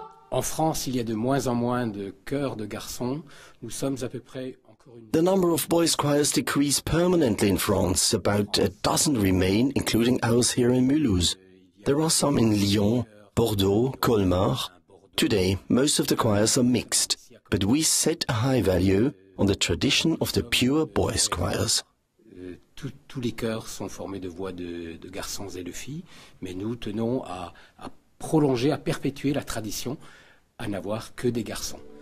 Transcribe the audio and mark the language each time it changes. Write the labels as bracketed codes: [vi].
[fr] En France, il y a de moins en moins de chœurs de garçons. Nous sommes à peu près encore une. [en] The number of boys' choirs decrease permanently in France. About a dozen remain, including ours here in Mulhouse. There are some in Lyon, Bordeaux, Colmar. Today, most of the choirs are mixed, but we set a high value on the tradition of the pure boys' choirs. [fr] Tous les chœurs sont formés de voix de garçons et de filles, mais nous tenons à prolonger, à perpétuer la tradition, à n'avoir que des garçons.